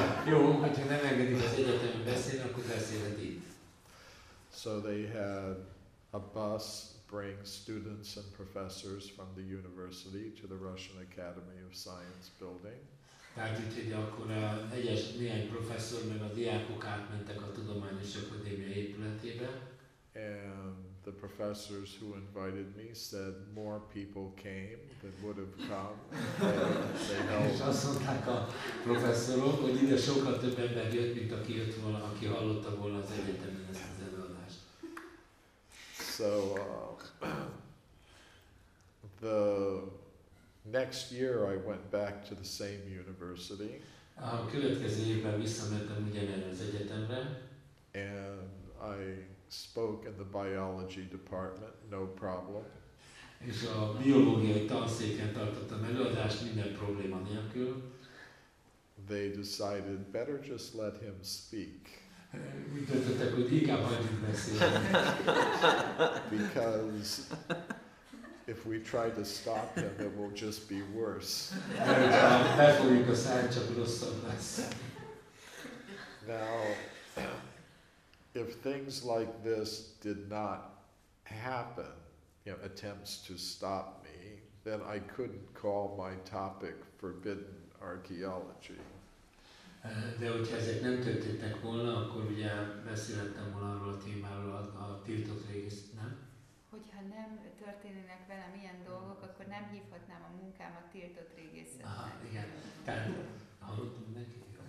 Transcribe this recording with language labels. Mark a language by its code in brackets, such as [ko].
[hu] Jó, hogyha nem engedik az egyetemen beszélni, akkor beszélhet itt. [en] So they had a bus bring students and professors from the university to the Russian Academy of Science building. [hu] Tehát itt, hogy akkor néhány professzor meg a diákok átmentek a Tudományos Akadémia épületébe. [en] And the professors who invited me said more people came than would have come. [hu] És azt mondták a professzorok, hogy ide sokkal több ember jött, mint aki jött volna, aki hallotta volna az egyetemen ezt az előadást. [en] So, the next year I went back to the same university. [hu] A következő évben visszamentem ugyanerre az egyetemre. [en] And I spoke in the biology department, no problem. [hu] És a biológiai tanszéken tartottam előadást minden probléma nélkül. [en] They decided better just let him speak. [hu] Úgy döntöttek, hogy inkább hagyjuk beszélni. [en] Because if we try to stop him, it will just be worse. [hu] Mert ha befogjuk a száját, csak rosszabb lesz. [en] Now, if things like this did not happen, you know, attempts to stop me, then I couldn't call my topic forbidden archaeology. [hu] De hogyha ezek nem történtek volna, akkor ugye beszélhettem volna arról a témáról, a tiltott régészet, nem? Hogyha nem történnek velem ilyen dolgok, akkor nem hívhatnám a munkám a tiltott régészetnek. Ah, igen. Tehát hallottam neki?